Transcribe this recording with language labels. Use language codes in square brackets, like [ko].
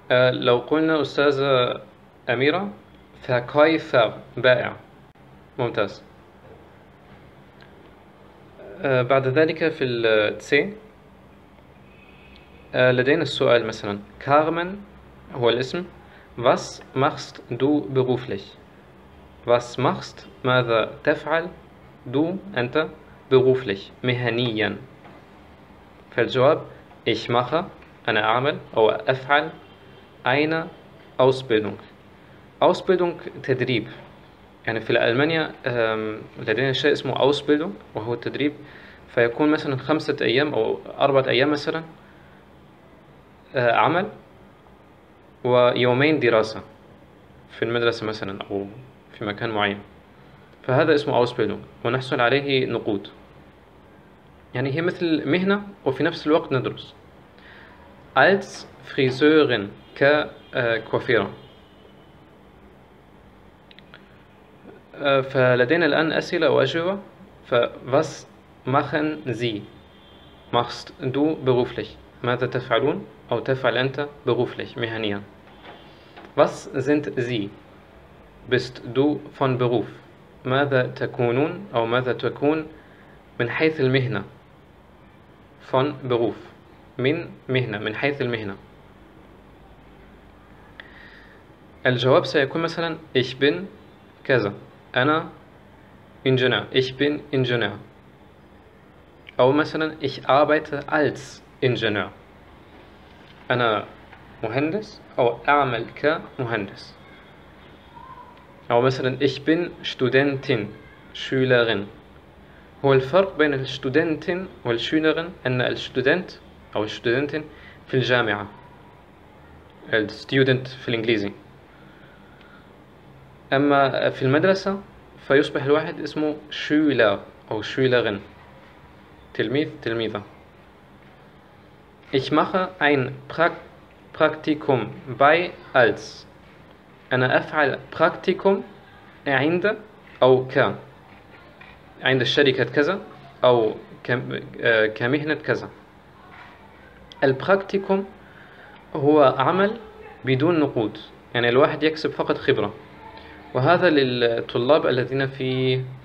[ar] لو قلنا أستاذة أميرة فكايفر بائع، ممتاز. بعد ذلك في التسي لدينا السؤال، مثلا كارمن هو الاسم. [de] Was machst du beruflich؟ Was machst، [ar] ماذا تفعل، [de] du أنت، beruflich مهنيا. [ar] فالجواب [de] ich mache [ar] أنا أعمل أو أفعل [de] eine Ausbildung. [ar] Ausbildung تدريب. يعني في ألمانيا لدينا شيء اسمه Ausbildung وهو تدريب. فيكون مثلا 5 أيام أو 4 أيام مثلا عمل ويومين دراسة في المدرسة مثلا أو في مكان معين. فهذا اسمه Ausbildung ونحصل عليه نقود. يعني هي مثل مهنة وفي نفس الوقت ندرس. [de] als friseurin ككوافيرة. [ar] فلدينا الآن أسئلة وأجوبة. [de] ف was machen Sie? Machst du beruflich? [ar] ماذا تفعلون أو تفعل أنت beruflich مهنيا؟ [de] Was sind Sie? Bist du von Beruf? [ar] ماذا تكونون أو ماذا تكون من حيث المهنة؟ [de] Von Beruf. [ar] من مهنة، من حيث المهنة. الجواب سيكون مثلا [de] Ich bin [ar] كذا، أنا Ingenieur. [de] Ich bin Ingenieur. [ar] أو مثلا [de] Ich arbeite als Ingenieur. [ar] أنا مهندس أو أعمل كمهندس. أو مثلا [de] Ich bin Studentin. Schülerin. [ar] هو الفرق بين الستودنتين والشونرين أن الستودنت أو الستودنتين في الجامعة، الستودنت في الإنجليزي، أما في المدرسة فيصبح الواحد اسمه شولر أو شولرين، تلميذ تلميذة. [de] Ich mache ein Praktikum bei als. [ar] أنا أفعل Praktikum عند أو ك عند الشركة كذا أو كمهنة كذا. البراكتيكوم هو عمل بدون نقود، يعني الواحد يكسب فقط خبرة، وهذا للطلاب الذين في